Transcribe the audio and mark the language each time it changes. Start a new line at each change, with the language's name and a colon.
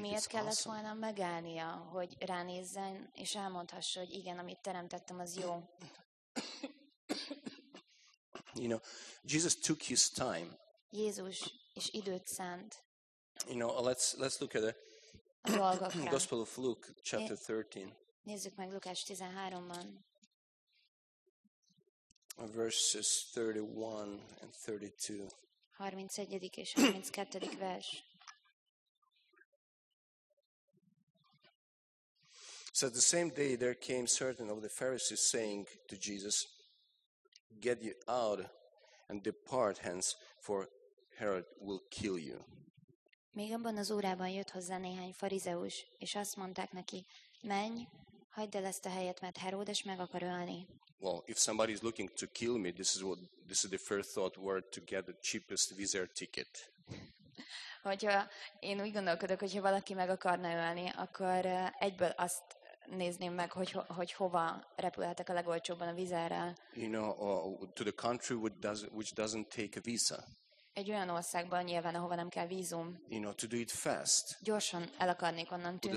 Hungarian: Miért
English: it's
Hungarian: kellett
English: awesome.
Hungarian: Volna megállnia, hogy ránézzen és elmondhassa, hogy igen, amit teremtettem, az jó.
English: You know, Jesus took his time.
Hungarian: Jézus és időt szánt.
English: You know, let's look at the Gospel of Luke chapter 13.
Hungarian: Nézzük meg Lukács 13-ban.
English: Verses 31 and 32.
Hungarian: 31. és 32. vers.
English: So the same day there came certain of the Pharisees saying to Jesus, get you out and depart hence, for Herod will kill you.
Hungarian: Még abban az órában jött hozzá néhány farizeus, és azt mondták neki, menj, hagyd el ezt a helyet, mert Herodes meg akar ölni.
English: Well, if somebody is looking to kill me, this is the first thought word to get the cheapest Wizz Air ticket.
Hungarian: Hogyha én úgy gondolkodok, hogyha valaki meg akarna ölni, akkor egyből azt nézném meg, hogy hova repülhetek a legolcsóbban a Wizz Airrel.
English: You know, to the country which doesn't take a visa.
Hungarian: Egy olyan országban nyilván, ahova nem kell vízum.
English: You know, to do it fast.
Hungarian: Gyorsan el akarnék onnan tűnni.